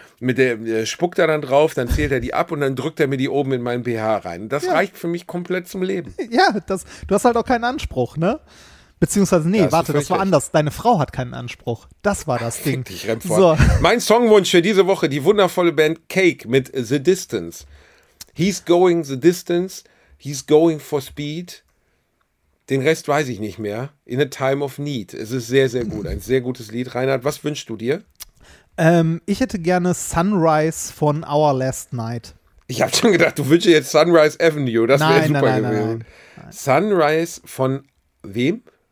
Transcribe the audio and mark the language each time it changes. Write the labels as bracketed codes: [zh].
[de] Mit der spuckt er dann drauf, dann zählt er die ab und dann drückt er mir die oben in meinen BH rein. Das reicht für mich komplett zum Leben. Ja, das, du hast halt auch keinen Anspruch, ne? Beziehungsweise, nee, ja, warte, das war anders. Deine Frau hat keinen Anspruch. Das war das Ding. Dich, Remford. So. Mein Songwunsch für diese Woche, die wundervolle Band Cake mit The Distance. [en] He's going the distance, he's going for speed. [de] Den Rest weiß ich nicht mehr. [en] In a time of need. [de] Es ist sehr, sehr gut. Ein sehr gutes Lied. Reinhard, was wünschst du dir? Ich hätte gerne Sunrise von Our Last Night. Ich habe schon gedacht, du wünschst jetzt Sunrise Avenue. Das wäre super gewesen. Nein. Sunrise von wem?